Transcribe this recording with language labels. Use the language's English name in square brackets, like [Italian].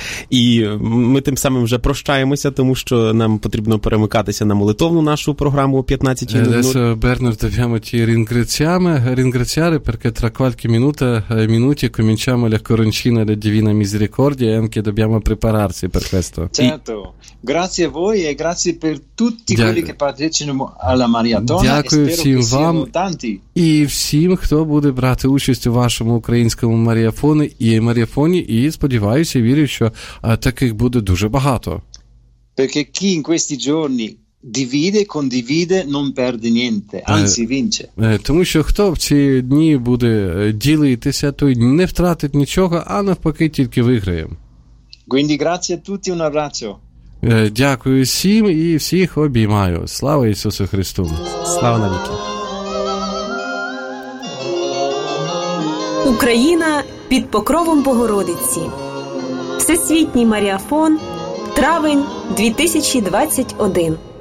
[Ukrainian] І ми тим самим вже прощаємося, тому що нам потрібно перемикатися на молитовну нашу програму о 15:00. [Italian] Бернард, abbiamo ti ringraziare perché tra qualche minuti cominciamo la coroncina della Divina Misericordia e anche dobbiamo prepararsi per questo. Certo. Grazie a voi e grazie per tutti quelli che partecipano alla maratona. [Ukrainian] Дякую всім вам. [Italian] Tanti. [Ukrainian] І всім, хто буде брати участь у вашому українському марафоні, і сподіваюся, вірю, що таких буде дуже багато. [Italian] Perché chi in questi giorni divide, condivide, non perde niente, anzi vince. [Ukrainian] Тому що хто в ці дні буде ділитися, той не втратить нічого, а навпаки тільки виграє. [Italian] Quindi grazie a tutti, un abbraccio. [Ukrainian] Дякую всім і всіх обіймаю. Слава Ісусу Христу. Слава навіки. Україна під покровом Богородиці. Всесвітній маріафон. Травень 2021.